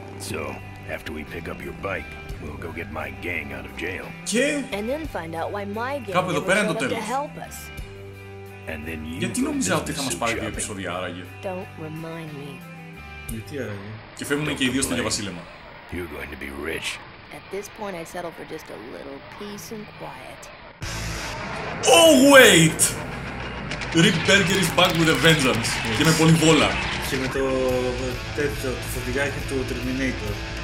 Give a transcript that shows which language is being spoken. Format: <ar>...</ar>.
<en>So, after we pick up your bike, we'll go get my gang out of jail. Και... And then find out why my gang never showed up to help us. And then you.</en> <el>Γιατί νόμιζα ότι θα μας πάρει δύο επεισόδια άραγε.</el> <en>Don't remind</en> <el>me. Γιατί άραγε. Και φεύγουμε και οι δύο στο διαβασίλεμα.</el> <en>You're going to be rich. At this point, I'd settle for just a little peace and quiet. Oh wait! Rick Berger is back with a vengeance.</en> <el>Yes. Και με πολύ βόλα. Και με το τέτοιο, το φωτιάκι του Terminator.</el>